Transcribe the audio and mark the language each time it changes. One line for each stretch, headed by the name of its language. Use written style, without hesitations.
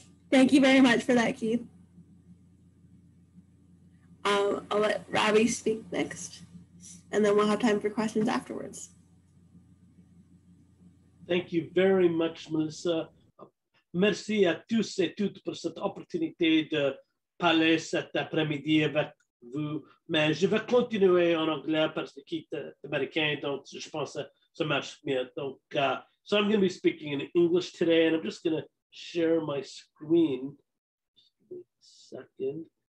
English: Thank you very much for that, Keith. I'll let Ravi speak next, and then we'll have time for questions afterwards. Thank you very much, Melissa.
French: Merci à tous et toutes pour cette opportunité de parler cet après-midi avec vous. Mais je vais continuer en anglais parce que je suis américain, donc je pense que ça marche bien.
English: Donc, so I'm going to be speaking in English today, and I'm just going to share my screen. Just a second.